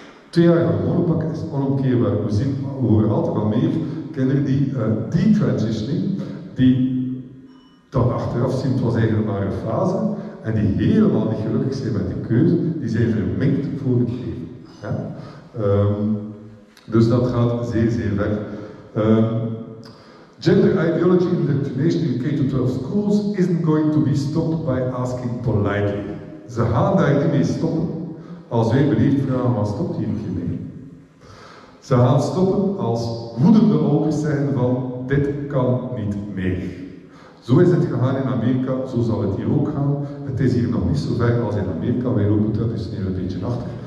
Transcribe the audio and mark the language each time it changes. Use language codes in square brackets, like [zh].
[nl] 2 jaar hormonenpakken is onomkeerbaar. We horen altijd wel meer kinderen die detransitioning, die dan achteraf zien, het was eigenlijk maar een fase, en die helemaal niet gelukkig zijn met die keuze, die zijn verminkt voor het leven. Ja? Dus dat gaat zeer, zeer ver. [en] Gender ideology indoctrination in K-12 schools isn't going to be stopped by asking politely. [nl] Ze gaan daar niet mee stoppen als wij beleefd vragen, wat stopt hier niet mee? Ze gaan stoppen als woedende ouders zeggen van, dit kan niet meer. Zo is het gegaan in Amerika, zo zal het hier ook gaan. Het is hier nog niet zo ver als in Amerika, wij lopen traditioneel een beetje achter.